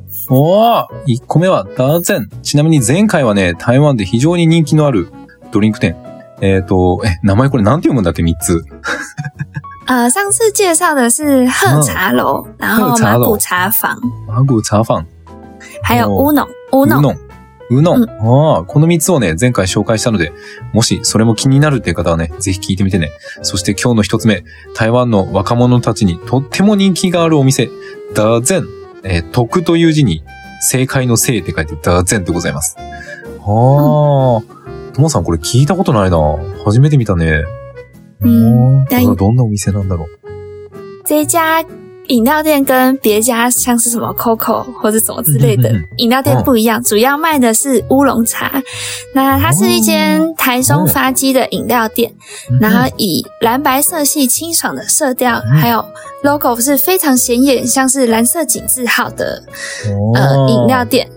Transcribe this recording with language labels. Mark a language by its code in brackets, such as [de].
[ja] 哇，一個目は德政。ちなみに前回はね、台湾で非常に人気のあるドリンク店。名前これなんて読むんだっけ？三つ。 [zh] 上次介绍的是鹤茶楼，然后马古茶坊，马古茶坊，还有乌龙， [ja] 乌龙，この3つをね、前回紹介したので、もしそれも気になるっていう方はね、ぜひ聞いてみてね。そして今日の一つ目、台湾の若者たちにとっても人気があるお店、ダーゼン、徳という字に正解の正って書いてダーゼンでございます。あー、トモさんこれ聞いたことないな、初めて見たね。嗯，どんなお店なんだろう？ [zh] 这家饮料店跟别家像是什么 Coco 或者什么之类的饮料店不一样，主要卖的是乌龙茶。那它是一间台中发迹的饮料店，然后以蓝白色系清爽的色调，还有 logo 是非常显眼，像是蓝色井字号的饮料店。